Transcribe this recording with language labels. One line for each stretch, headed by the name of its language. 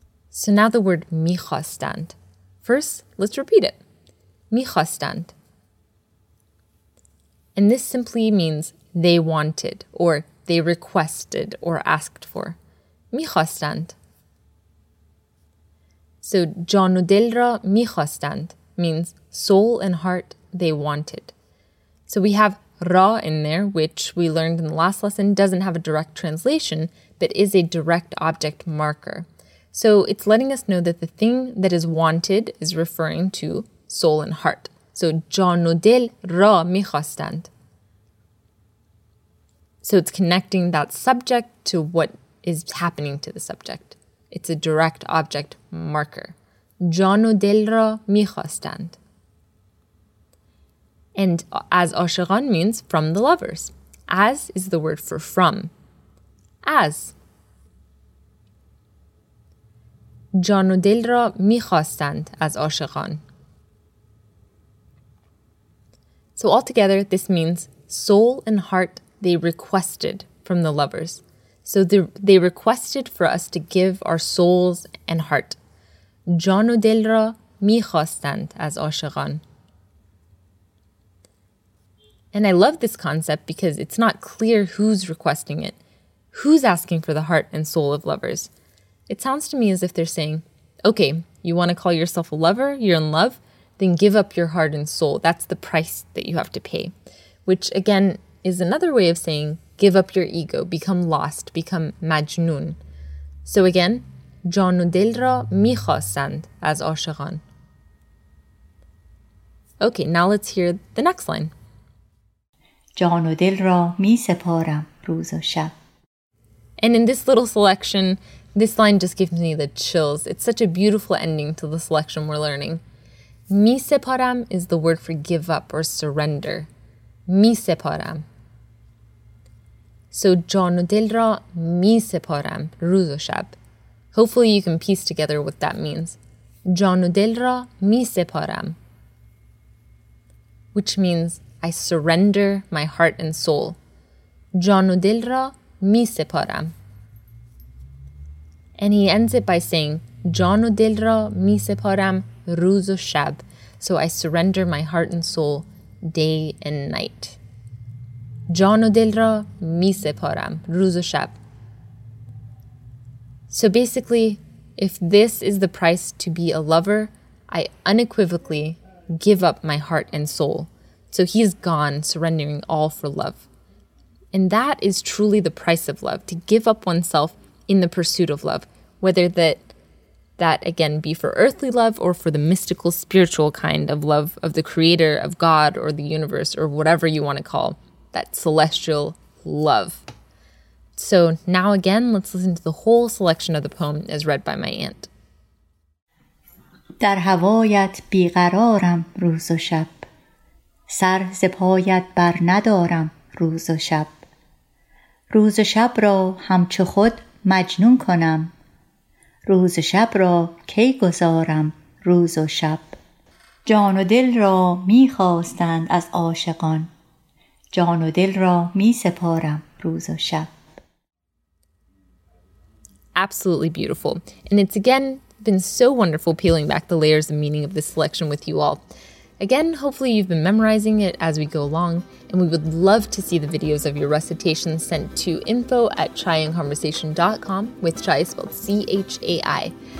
English: So now the word میخواستند. First, let's repeat it. میخواستند. And this simply means they wanted, or they requested, or asked for.
Persian: میخواستند.
English: So
Persian: جان و دل را میخواستند
English: means soul and heart they wanted. So we have را in there, which we learned in the last lesson doesn't have a direct translation, but is a direct object marker. So it's letting us know that the thing that is wanted is referring to soul and heart. So
Persian: جان و دل را میخواستند.
English: So it's connecting that subject to what is happening to the subject. It's a direct object marker.
Persian: جان و دل را میخواستند.
English: And as عاشقان means from the lovers. As is the word for from. As.
Persian: جان و دل را میخواستند از عاشقان.
English: So altogether, this means soul and heart they requested from the lovers. So they requested for us to give our souls and heart.
Persian: جان و دل را میخواستند از عاشقان.
English: And I love this concept because it's not clear who's requesting it. Who's asking for the heart and soul of lovers? It sounds to me as if they're saying, okay, you want to call yourself a lover? You're in love? Then give up your heart and soul. That's the price that you have to pay. Which, again, is another way of saying give up your ego, become lost, become majnun. So again,
Persian: جان و دل را میخواستند از عاشقان.
English: Okay, now let's hear the next line.
Persian: جان و دل را میسپارم روز و شب.
English: And in this little selection, this line just gives me the chills. It's such a beautiful ending to the selection we're learning. میسپارم is the word for give up or surrender. میسپارم. So
Persian: جان و دل را میسپارم روز و شب.
English: Hopefully you can piece together what that means.
Persian: جان و دل را میسپارم.
English: Which means I surrender my heart and soul.
Persian: جان و دل را میسپارم.
English: And he ends it by saying
Persian: جان و دل را میسپارم روز و شب.
English: So I surrender my heart and soul day and night.
Persian: جان و دل را میسپارم روز و شب.
English: So basically, if this is the price to be a lover, I unequivocally give up my heart and soul. So he's gone, surrendering all for love. And that is truly the price of love, to give up oneself in the pursuit of love, whether that again be for earthly love or for the mystical spiritual kind of love of the creator, of God or the universe or whatever you want to call that celestial love. So now again, let's listen to the whole selection of the poem as read by my aunt.
Persian: در هوایت بیقرارم روز و شب، سر ز پایت بر ندارم روز و شب، روز و شب را همچو خود مجنون کنم، روز و شب را کی گذارم روز و شب، جان و دل را میخواستند از عاشقان، جان و دل را میسپارم روز و شب.
English: Absolutely beautiful. And it's again been so wonderful peeling back the layers and meaning of this selection with you all. Again, hopefully you've been memorizing it as we go along, and we would love to see the videos of your recitations sent to info@chaiandconversation.com with chai spelled C-H-A-I.